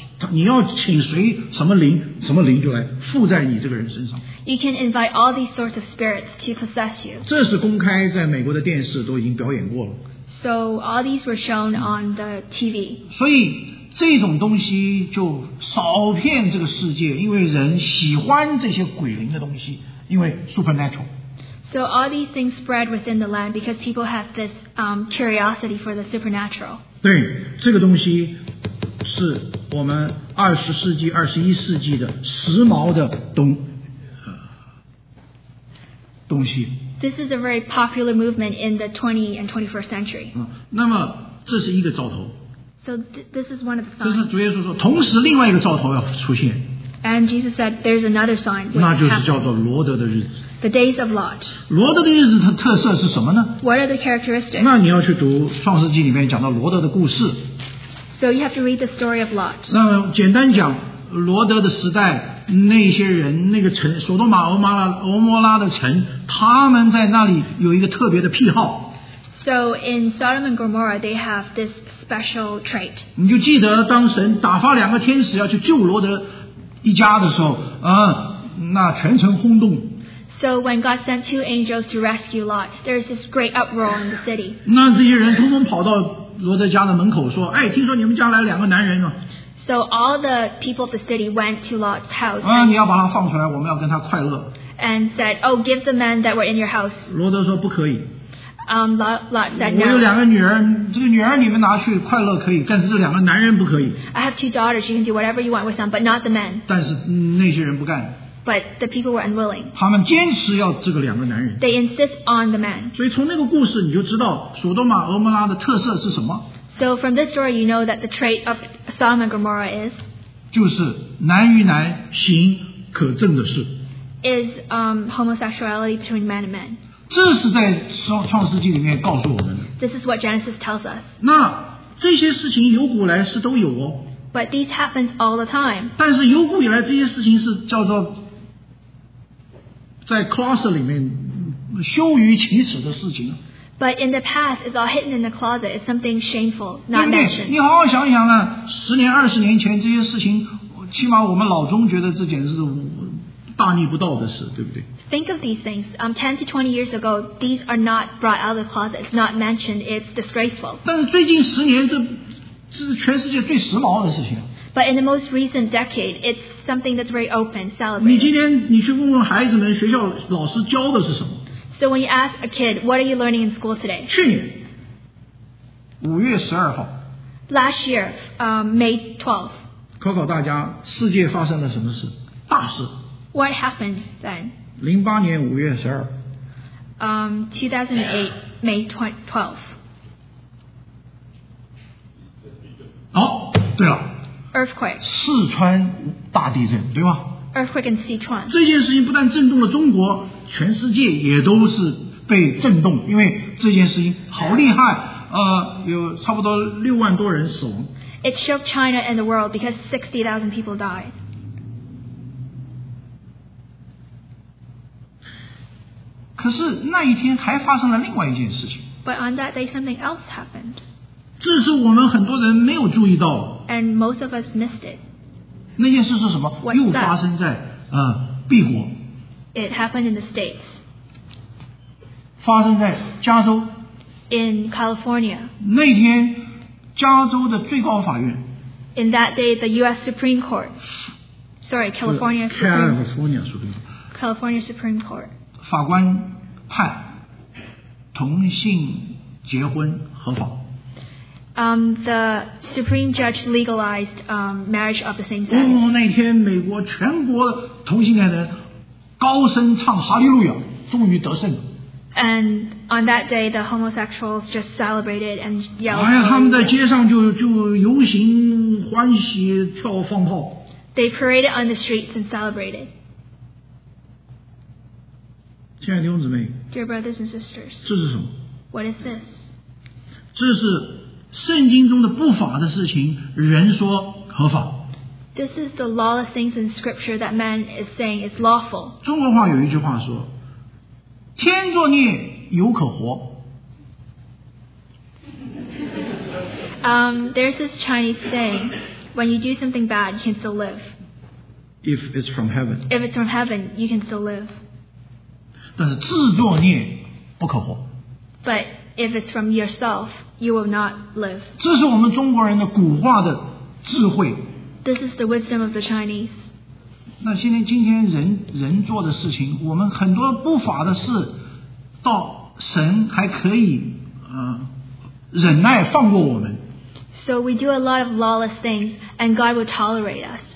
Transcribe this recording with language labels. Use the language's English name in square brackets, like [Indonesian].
[Chinese] 你要请谁什么灵，什么灵就来附在你这个人身上。 [English] You can invite all these sorts of spirits to possess you. [Chinese] 这是公开在美国的电视都已经表演过了。 [English] So all these were shown on the TV. [Chinese] 所以这种东西就扫遍这个世界，因为人喜欢这些鬼灵的东西，因为 supernatural。 [English] So all these things spread within the land because people have this curiosity for the supernatural. [Chinese] 对，这个东西是我们二十世纪、二十一世纪的时髦的东西。 [English] This is a very popular movement in the 20th and 21st century. [Chinese] 那么这是一个兆头。 [English] So this is one of the signs. [Chinese] 这是主耶稣说，同时另外一个兆头要出现。 [English] And Jesus said, "There's another sign." [Chinese] 那就是叫做罗德的日子。 [English] The days of Lot. [Chinese] 罗德的日子它特色是什么呢 [English] ？What are the characteristics? [Chinese] 那你要去读创世纪里面讲到罗德的故事。 [English] So you have to read the story of Lot. [Chinese] 那简单讲，罗德的时代，那些人，那个城，索多玛、俄摩拉的城，他们在那里有一个特别的癖好。 [English] So in Sodom and Gomorrah, they have this special trait. [Chinese] 你就记得当神打发两个天使要去救罗德一家的时候，那全城轰动。 [English] So when God sent two angels to rescue Lot, there is this great uproar in the city. [Chinese] 那这些人通通跑到罗德家的门口说，哎，听说你们家来两个男人啊。 [English] So all the people of the city went to Lot's house. [Chinese] 你要把他放出来，我们要跟他快乐。 [English] And said, oh, give the men that were in your house. [Chinese] 罗德说不可以。 [English] Lot said, no. [Chinese] 我有两个女儿，这个女儿你们拿去快乐可以，但是这两个男人不可以。 [English] I have two daughters, you can do whatever you want with them, but not the men. [Chinese] 但是那些人不干。 [English] But the people were unwilling. [Chinese] 他们坚持要这个两个男人。 [English] They insist on the men. [Chinese] 所以从那个故事你就知道索多玛、俄摩拉的特色是什么。 [English] So from this story, you know that the trait of Sodom and Gomorrah is? [Chinese] 就是男与男行可证的事。 [English] Is homosexuality between man and man. [Chinese] 这是在创世纪里面告诉我们的。 [English] This is what Genesis tells us. [Chinese] 那这些事情由古来是都有哦。 [English] But these happens all the time. [Chinese] 但是由古以来这些事情是叫做在 closet 里面羞于启齿的事情。 [English] But in the past, it's all hidden in the closet. It's something shameful, not mentioned. [Chinese] 你好好想一想啊，十年、二十年前这些事情，起码我们老中觉得这简直是大逆不道的事，对不对 [English] ？Think of these things. 10 to 20 years ago, these are not brought out of the closet. It's not mentioned. It's disgraceful. [Chinese] 但是最近十年，这是全世界最时髦的事情。 [English] But in the most recent decade, it's something that's very open, celebrated. [Chinese] 你今天你去问问孩子们，学校老师教的是什么？ [English] So when you ask a kid, what are you learning in school today? [Chinese] 去年5月12号 [English] Last year, May 12th. [Chinese] 考考大家，世界发生了什么事？大事。 [English] What happened then? [Chinese] 08年5月12。 [English] 2008, May 12th. [Chinese] 哦，对了。 [English] Earthquake. [Chinese] 四川大地震，对吗？ [English] Earthquake in Sichuan. [Chinese] 这件事情不但震动了中国，全世界也都是被震动，因为这件事情好厉害，有差不多60,000多人死亡。 [English] It shook China and the world because 60,000 people died. [Chinese] 可是那一天还发生了另外一件事情。 [English] But on that day, something else happened. [Chinese] 这是我们很多人没有注意到。 [English] And most of us missed it. [Chinese] 那件事是什么？ [English] What's that? [Chinese] 又发生在美国。 [English] It happened in the States. [Chinese] 发生在加州。 [English] In California. [Chinese] 那天加州的最高法院。 [English] In that day, the U.S. Supreme Court. Sorry, California Supreme Court. California Supreme Court. [Chinese] 法官判同性结婚合法。 [English] The Supreme Judge legalized marriage of the same sex. [Chinese] 那天美国全国同性恋人高声唱哈利路亚，终于得胜了。 [English] And on that day, the homosexuals just celebrated and yelled. [Chinese] 他们在街上就游行欢喜跳放炮。 [English] They paraded on the streets and celebrated. [Chinese] 亲爱的弟兄姊妹 [English] ，Dear brothers and sisters， [Chinese] 这是什么 [English] What is this? [Chinese] 这是圣经中的不法的事情，人说合法。 [English] This is the lawless things in scripture that man is saying is lawful. [Chinese] 中国话有一句话说，天作孽，犹可活。 [English] There's this Chinese saying, when you do something bad, you can still live. If it's from heaven. If it's from heaven, you can still live. [Chinese] 但是自作孽不可活。 [English] But if it's from yourself, you will not live. [Chinese] 这是我们中国人的古话的智慧。 [English] This is the wisdom of the Chinese. [Chinese] 那今天人做的事情，我们很多不法的事，到神还可以忍耐放过我们。 [English] So we do a lot of lawless things, and God will tolerate us.